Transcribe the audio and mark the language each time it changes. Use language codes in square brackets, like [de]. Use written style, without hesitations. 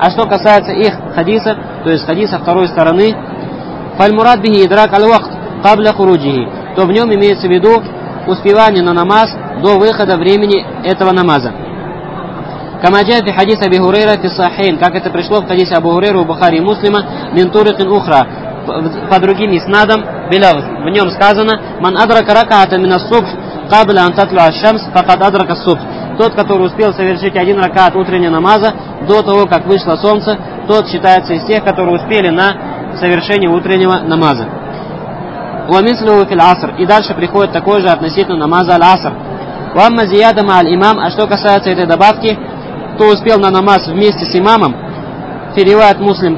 [ru] А что касается их хадиса, то есть хадиса второй стороны, [ar] فَالْمُرَدْ بِهِ إِدْرَاكَ الْوَقْتِ قَبْلَ خُرُوجِهِ. [ru] То в нем имеется в виду успевание на намаз до выхода времени этого намаза. [ar] كَمَا جَاءَ فِي حَدِيثِ أَبِي هُرَيْرَةَ فِي الصَّحِيحَيْنِ. [ru] Как это пришло в хадисе Абу Хурейры у Бухари и Муслима, [ar] مِنْ طُرِقٍ أُخْرَى. [ru] По другим иснадам, [ar] بِلَغْت. [ru] В нем сказано: [ar] مَنْ أَدْرَكَ رَكَعَةً مِنَ الصُّبْحِ قَبْلَ أَنْ تَطْلُعَ الشَّمْسُ فَقَدْ أَدْرَكَ الصُّبْحَ. [ru] Тот, который успел совершить один ракаат утреннего намаза до того, как вышло солнце, тот считается из тех, которые успели на совершение утреннего намаза. [ar] وَمِثْلُهُ فِي الْعَصْرِ. [ru] И дальше приходит такое же относительно намаза аль-аср. [ar] وَأَمَّا زِيَادَةٌ مَعَ الْإِمَامِ. [ru] А что касается этой добавки, то успел на намаз вместе с имамом, [ar] فِرِوَاتْ مُسْلِمٍ.